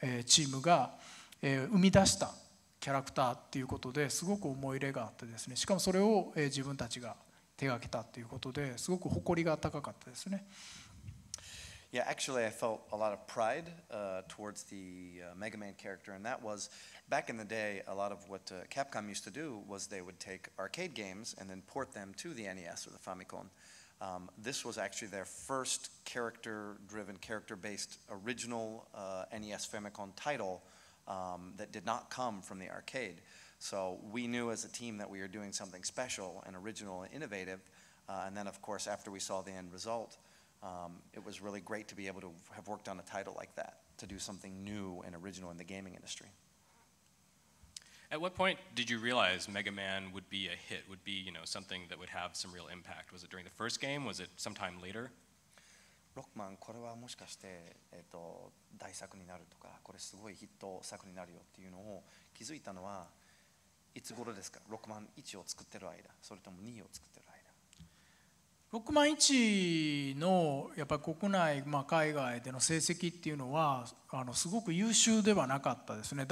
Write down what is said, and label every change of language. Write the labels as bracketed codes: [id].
[ja] チームが生み出したキャラクターっていうことで、すごく思い入れがあってですね、しかもそれを自分たちが手がけたっていうことで、すごく誇りが高かったですね。 [en] Yeah, actually, I felt a lot of pride towards the Mega Man character, and that was, back in the day, a lot of what Capcom used to do was they would take arcade games and then port them to the NES or the Famicom. This was actually their first character-driven, character-based original NES Famicom title that did not come from the arcade. So we knew as a team that we were doing something special and original and innovative, and then, of course, after we saw the end result,it was really great to be able to have worked on a title like that, to do something new and original in the gaming industry. At what point did you realize Mega Man would be a hit, would be, you know, something that would have some real impact? Was it during the first game? Was it sometime later? [ja] Rockman, これはもしかして、大作になるとか、これすごいヒット作になるよっていうのを気づいたのは、いつ頃ですか？ Rockman 1を作ってる間、それとも2を作ってる間。ロックマン1のやっぱり国内、海外での成績っていうのはすごく優秀ではなかったですね。